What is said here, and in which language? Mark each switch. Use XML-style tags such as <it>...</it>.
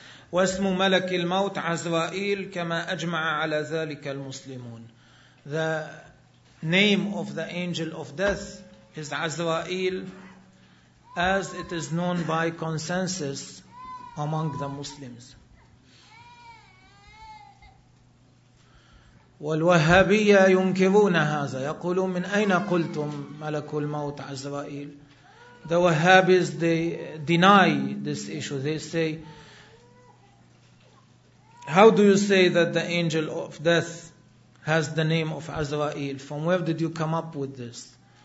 <ar>وَاسْمُ مَلَكِ الْمَوْتِ عَزْرَائِيلِ كَمَا أَجْمَعَ عَلَى ذَلِكَ الْمُسْلِمُونَ.</ar> <en>The name of the angel of death is Azrael, as it is known by consensus among the Muslims.</en> <ar>والوهابية ينكرون هذا يقولون من أين قلتم ملك الموت عزرائيل.</ar> <en>The Wahhabis, they deny this issue. They say, how do you say that the angel of death has the name of Azrael? From where did you come up with this?</en>